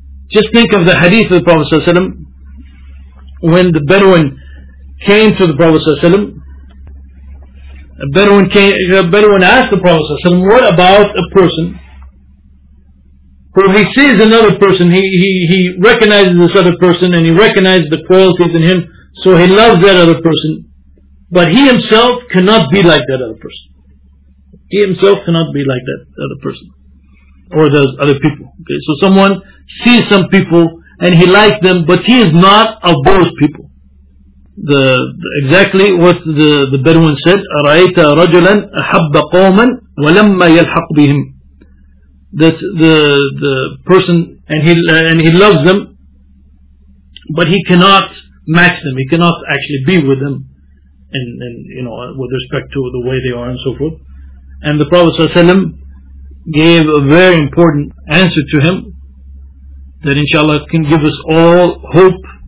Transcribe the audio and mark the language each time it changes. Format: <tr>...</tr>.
<en>Just think of the hadith of the Prophet ﷺ. When the Bedouin came to the Prophet ﷺ, a Bedouin asked the Prophet ﷺ, what about a person who he sees another person, he recognizes this other person and he recognizes the qualities in him, so he loves that other person, but he himself cannot be like that other person. He himself cannot be like that other person, or those other people. Okay, so someone sees some people and he likes them, but he is not of those people. Exactly what the Bedouin said:</en> <ar>"أَرَأَيْتَ رَجُلًا أَحَبَّ قَوْمًا وَلَمَّا يَلْحَقْ بِهِمْ."</ar> <en>That the person and he loves them, but he cannot match them, he cannot actually be with them and you know, with respect to the way they are and so forth. And the Prophet ﷺ gave a very important answer to him that inshallah can give us all hope.</en>